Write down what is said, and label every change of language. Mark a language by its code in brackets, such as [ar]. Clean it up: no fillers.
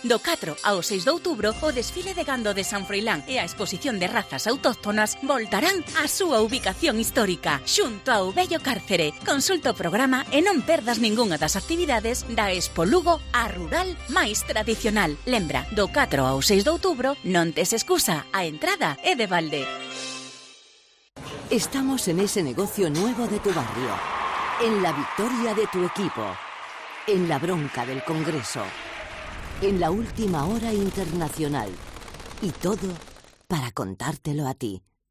[gl] Do 4 ao 6 de outubro, o desfile de gando de San Froilán e a exposición de razas autóctonas voltarán á súa ubicación histórica, xunto ao vello cárcere. Consulta o programa e non perdas ningunha das actividades da Expo Lugo a Rural máis tradicional. Lembra, do 4 ao 6 de outubro, non tes excusa, a entrada é de balde. [es] Estamos en ese negocio nuevo de tu barrio, en la victoria de tu equipo, en la bronca del Congreso, en la última hora internacional, y todo para contártelo a ti.